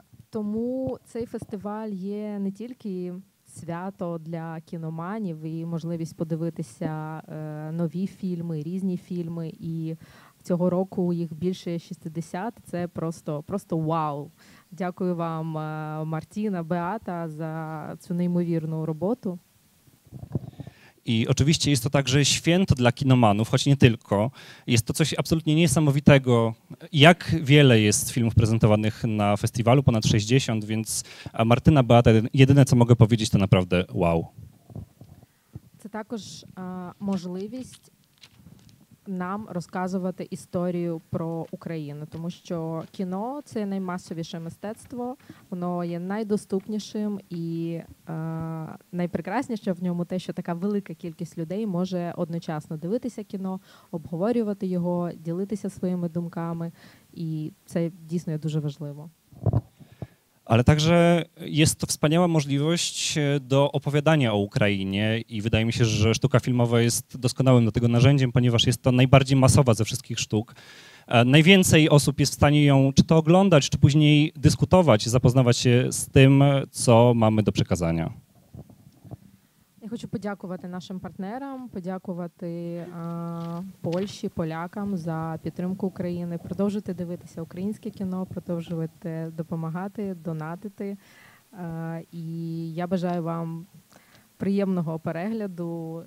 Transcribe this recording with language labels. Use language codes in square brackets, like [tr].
[uk] Тому цей фестиваль є не тільки свято для кіноманів і можливість подивитися нові фільми, різні фільми. І цього року їх більше 60. Це просто вау. Дякую вам, Мартіна, Беата, за цю неймовірну роботу. [pl] I oczywiście jest to także święto dla kinomanów, choć nie tylko. Jest to coś absolutnie niesamowitego, jak wiele jest filmów prezentowanych na festiwalu, ponad 60, więc Martyna, Beata, jedyne co mogę powiedzieć, to naprawdę wow. To także możliwość [uk] нам розказувати історію про Україну, тому що кіно – це наймасовіше мистецтво, воно є найдоступнішим і найпрекрасніше в ньому те, що така велика кількість людей може одночасно дивитися кіно, обговорювати його, ділитися своїми думками, і це дійсно є дуже важливо. [pl] Ale także jest to wspaniała możliwość do opowiadania o Ukrainie i wydaje mi się, że sztuka filmowa jest doskonałym do tego narzędziem, ponieważ jest to najbardziej masowa ze wszystkich sztuk. Najwięcej osób jest w stanie ją czy to oglądać, czy później dyskutować, zapoznawać się z tym, co mamy do przekazania. [uk] Я хочу подякувати нашим партнерам, подякувати Польщі, полякам за підтримку України, продовжувати дивитися українське кіно, продовжувати допомагати, донатити. І я бажаю вам приємного перегляду.